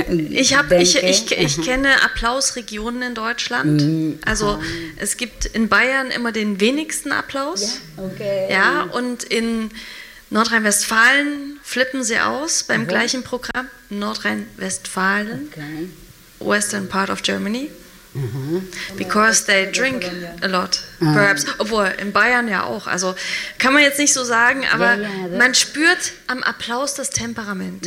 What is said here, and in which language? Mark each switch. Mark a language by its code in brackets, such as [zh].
[de] ich kenne Applausregionen in Deutschland. Also es gibt in Bayern immer den wenigsten Applaus. Ja, okay. Ja, und in Nordrhein-Westfalen flippen sie aus beim gleichen Programm. Nordrhein-Westfalen, okay. [en] Western part of Germany. Because they drink a lot, perhaps. [de] Obwohl, in Bayern ja auch. Also kann man jetzt nicht so sagen, aber ja, man spürt am Applaus das Temperament.